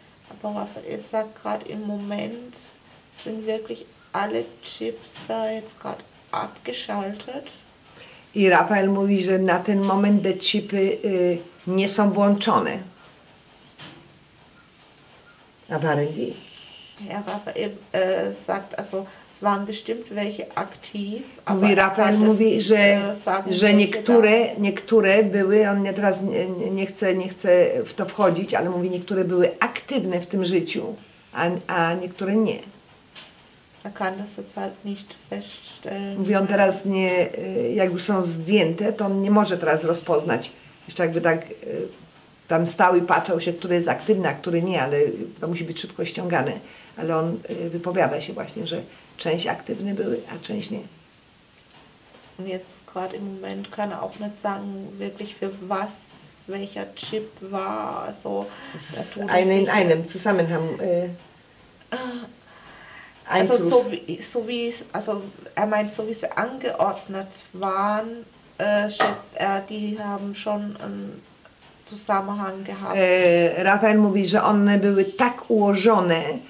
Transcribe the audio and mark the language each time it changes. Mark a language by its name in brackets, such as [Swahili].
[German] Aber Raphael sagt gerade im Moment sind wirklich alle Chips da jetzt gerade abgeschaltet. [Polish] I Raphael mówi, że na ten moment te chipy nie są włączone. [English] Apparently. [German] Herr Raphael sagt also, es waren bestimmt welche aktiv, [Polish] aber Raphael mówi, że niektóre były, on nie teraz nie chce w to wchodzić, ale mówi, niektóre były aktywne w tym życiu, a niektóre nie. [German] Er kann das halt nicht feststellen. [Polish] Mówi, on teraz nie, jak już są zdjęte, to on nie może teraz rozpoznać, jeszcze jakby tak tam stał i patrzał się, który jest aktywny, a który nie, ale to musi być szybko ściągane. Ale on wypowiada się właśnie, że część aktywny były, a część nie. [German] Und jetzt gerade im Moment kann er auch nicht sagen, wirklich für was, welcher Chip war, also einem zusammen haben. Also so wie also er meint, so wie sie angeordnet waren, schätzt er, die haben schon Zusammenhang gehabt. [Polish] Raphael mówi, że one były tak ułożone.